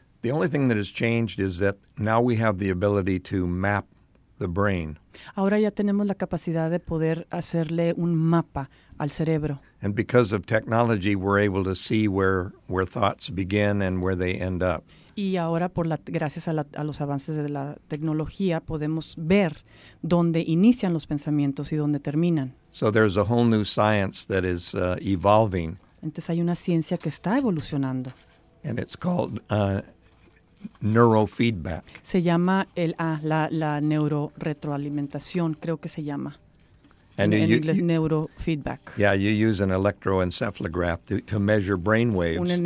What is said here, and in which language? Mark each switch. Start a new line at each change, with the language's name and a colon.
English: The only thing that has changed is that now we have the ability to map the brain.
Spanish: Ahora ya tenemos la capacidad de poder hacerle un mapa al cerebro.
English: And because of technology, we're able to see where thoughts begin and where they end up.
Spanish: Y ahora, gracias a los avances de la tecnología, podemos ver dónde inician los pensamientos y dónde terminan.
English: So there's a whole new science that is evolving.
Spanish: Entonces hay una ciencia que está evolucionando.
English: And it's called neurofeedback.
Spanish: Se llama la neuroretroalimentación, creo que se llama. En inglés, neurofeedback.
English: Yeah, you use an electroencephalograph to measure brain waves.